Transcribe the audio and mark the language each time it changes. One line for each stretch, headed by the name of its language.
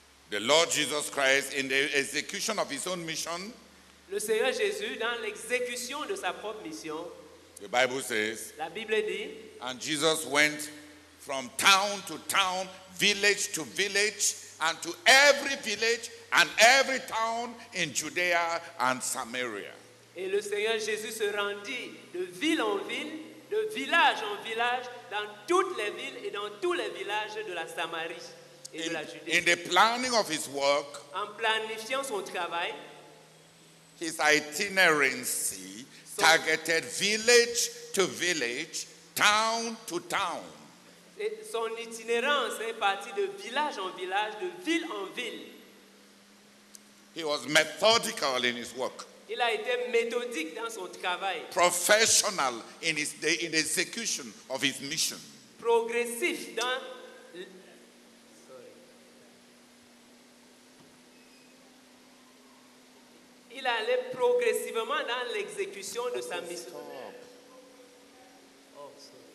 English: The Lord Jesus Christ, in the execution of his own mission,
French: le Seigneur Jésus, dans l'exécution de sa propre mission,
English: the Bible says,
French: la Bible dit,
English: and Jesus went from town to town, village to village, and to every village and every town in Judea and Samaria.
French: Et le Seigneur Jésus se rendit de ville en ville, de village en village, dans toutes les villes et dans tous les villages de la Samarie.
English: In the planning of his work,
French: en planifiant son travail,
English: his itinerancy targeted village to village, town to town.
French: Son itinérance est partie de village en village, de ville en ville.
English: He was methodical in his work.
French: Il a été méthodique dans son travail.
English: Professional in his in the execution of his mission.
French: Progressif dans il allait progressivement dans l'exécution de sa mission.
English: Oh, sorry.